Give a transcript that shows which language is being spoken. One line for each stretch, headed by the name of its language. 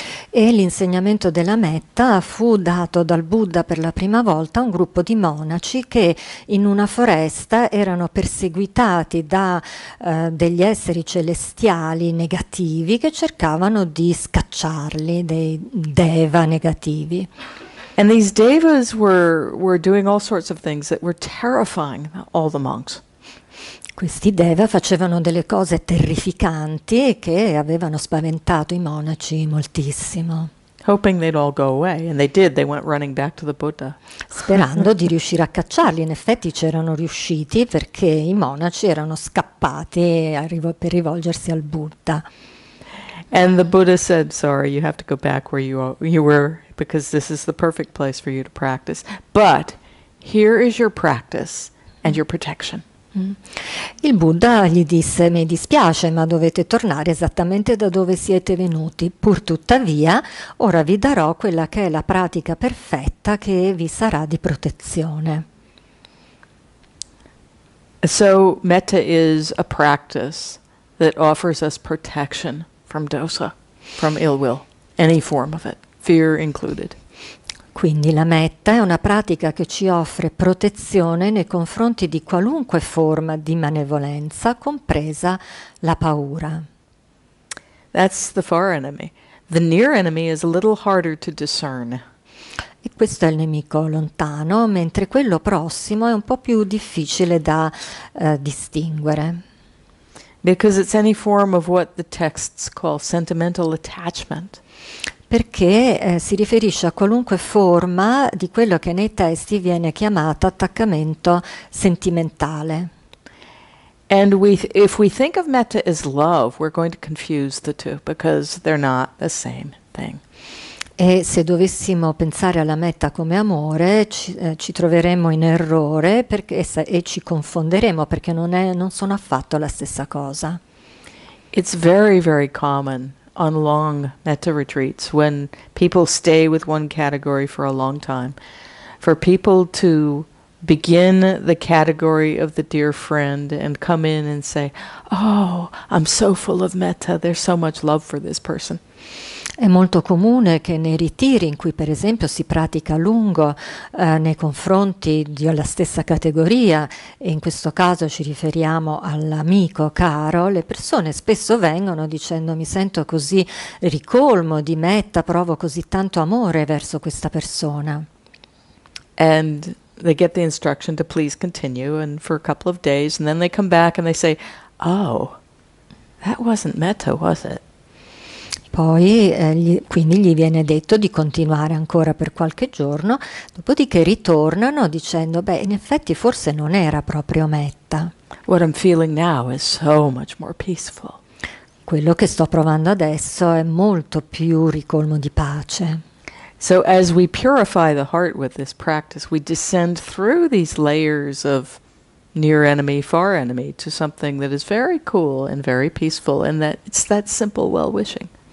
Italian: E l'insegnamento della metta fu dato dal Buddha per la prima volta a un gruppo di monaci che in una foresta erano perseguitati da degli esseri celestiali negativi che cercavano di scacciarli, dei deva negativi.
English: And these devas were doing all sorts of things that were terrifying all the monks.
Italian: Questi deva facevano delle cose terrificanti che avevano spaventato i monaci moltissimo.
English: Hoping they'd all go away, and they did, they went running back to the Buddha.
Italian: Sperando di riuscire a cacciarli, in effetti c'erano riusciti perché i monaci erano scappati per rivolgersi al Buddha.
English: And the Buddha said, sorry, you have to go back where you were, because this is the perfect place for you to practice. But here is your practice and your protection.
Italian: Il Buddha gli disse: mi dispiace, ma dovete tornare esattamente da dove siete venuti. Purtuttavia, ora vi darò quella che è la pratica perfetta che vi sarà di protezione.
English: So, metta is a practice that offers us protection from dosa, from ill will, any form of it, fear included.
Italian: Quindi la metta è una pratica che ci offre protezione nei confronti di qualunque forma di malevolenza, compresa la paura.
English: That's the far enemy. The near enemy is a little harder to discern.
Italian: E questo è il nemico lontano, mentre quello prossimo è un po' più difficile da distinguere.
English: Because it's any form of what the texts call sentimental attachment.
Italian: Perché si riferisce a qualunque forma di quello che nei testi viene chiamato attaccamento sentimentale.
English: And if we think of metta as love, we're going to confuse the two because they're not the same thing.
Italian: E se dovessimo pensare alla metta come amore, ci troveremmo in errore e ci confonderemo perché non sono affatto la stessa cosa.
English: It's very, very common on long metta retreats, when people stay with one category for a long time, for people to begin the category of the dear friend and come in and say, oh, I'm so full of metta, there's so much love for this person.
Italian: È molto comune che nei ritiri in cui per esempio si pratica a lungo nei confronti della stessa categoria, e in questo caso ci riferiamo all'amico caro, le persone spesso vengono dicendo mi sento così ricolmo di metta, provo così tanto amore verso questa persona.
English: And they get the instruction to please continue and for a couple of days, and then they come back and they say, oh, that wasn't metta, was it?
Italian: Poi, quindi gli viene detto di continuare ancora per qualche giorno, dopodiché ritornano dicendo, beh, in effetti forse non era proprio metta.
English: What I'm feeling now is so much more peaceful.
Italian: Quello che sto provando adesso è molto più ricolmo di pace.
English: So as we purify the heart with this practice, we descend through these layers of near enemy, far enemy, to something that is very cool and very peaceful, and that it's that simple well-wishing.